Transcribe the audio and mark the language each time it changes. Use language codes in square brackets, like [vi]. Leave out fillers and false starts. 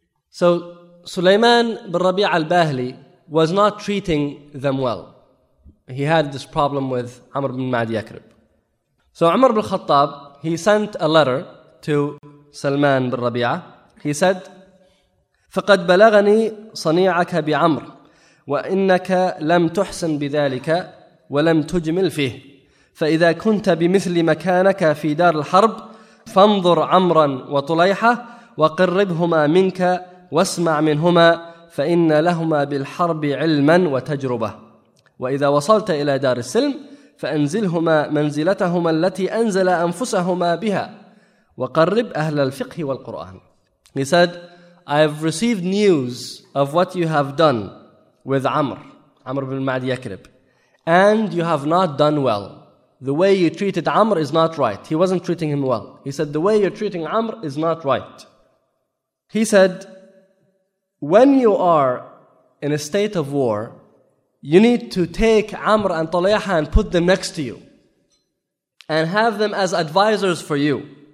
[en] So Sulaiman bin Rabi' al-Bahli was not treating them well. He had this problem with Amr bin Ma'di Yakrib. So Umar bin Khattab, he sent a letter to Salman bin Rabi'ah. He said, [ar] فقد بلغني صنيعك بعمر وإنك لم تحسن بذلك ولم تجمل فيه، فإذا كنت بمثل مكانك في دار الحرب فانظر عمرا وطليحة وقربهما منك واسمع منهما، فإن لهما بالحرب علما وتجربة، وإذا وصلت إلى دار السلم فأنزلهما منزلتهما التي أنزل أنفسهما بها وقرب أهل الفقه والقرآن. [en] He said, I have received news of what you have done with Amr, Amr ibn al-Ma'd Yakrib, and you have not done well. The way you treated Amr is not right. He wasn't treating him well. He said, the way you're treating Amr is not right. He said, when you are in a state of war, you need to take Amr and Talayha and put them next to you and have them as advisors for you.